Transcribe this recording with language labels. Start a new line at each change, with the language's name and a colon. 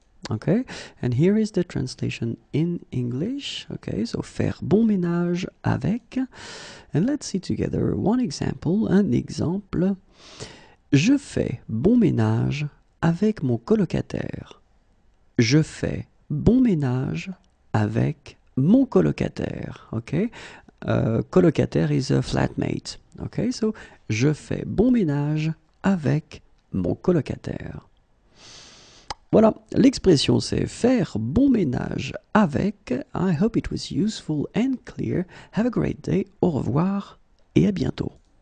English: Okay, and here is the translation in English. Okay, so
French: faire bon ménage avec.
English: And let's see together one example,
French: un exemple. Je fais bon ménage avec mon colocataire. Je fais bon ménage avec mon colocataire. Okay?
English: Colocataire is a flatmate. Okay? So,
French: je fais bon ménage avec mon colocataire. Voilà, l'expression c'est faire bon ménage avec.
English: I hope it was useful and clear. Have a great day.
French: Au revoir et à bientôt.